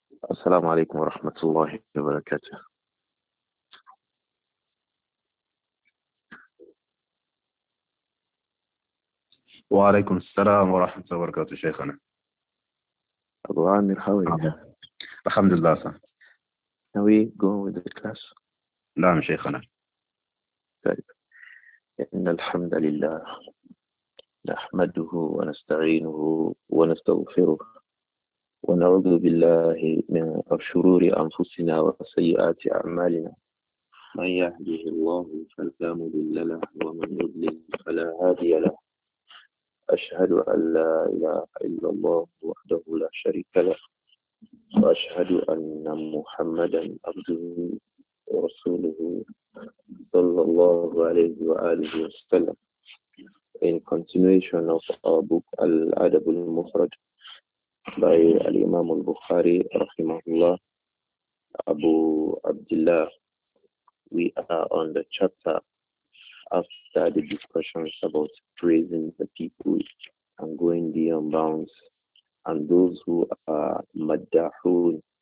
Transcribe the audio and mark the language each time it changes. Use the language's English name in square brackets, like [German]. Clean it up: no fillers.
[Arabic] السلام عليكم ورحمة الله وبركاته. وعليكم السلام ورحمة الله وبركاته شيخنا. [English] أبو عامر، how are you? [Arabic] الحمد لله سلام. [English] Are we going with the class? [Arabic] نعم شيخنا. طيب. إن الحمد لله نحمده ونستعينه ونستغفره ونعوذ بالله من شرور أنفسنا وسيئات أعمالنا. من يهده الله فلا مضل له ومن يضلل فلا هادي له. أشهد أن لا إله إلا الله وحده لا شريك له وأشهد أن محمدا عبده ورسوله صلى الله عليه وآله وسلم. [English] In continuation of our book Al-Adab al-Mufrad by Al-Imam al-Bukhari rahimahullah Abu Abdullah, we are on the chapter after the discussions about praising the people and going beyond bounds, and those who are maddahun,